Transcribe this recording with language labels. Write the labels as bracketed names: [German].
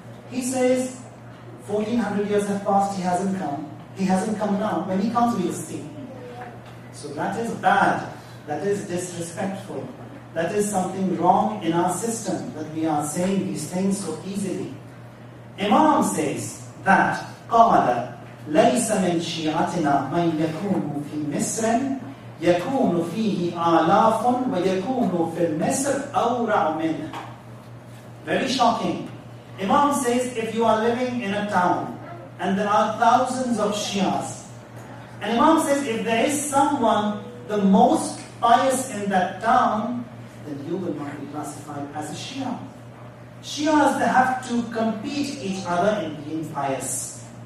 [English] He says, 1400 years have passed, he hasn't come. He hasn't come now. When he comes, we'll see. So that is bad. That is disrespectful. That is something wrong in our system, that we are saying these things so easily. Imam says that, [Arabic] قَالَ لَيْسَ مِنْ شِيَعَتِنَا مَنْ يَكُونُ فِي مِسْرٍ يَكُونُ فِيهِ آلَافٌ وَيَكُونُ فِي الْمِسْرِ أَوْرَعُ مِنْهِ. [English] Very shocking. Imam says, if you are living in a town and there are thousands of Shias, and Imam says, if there is someone the most pious in that town, then you will not be classified as a Shia. Shias, they have to compete each other in being pious.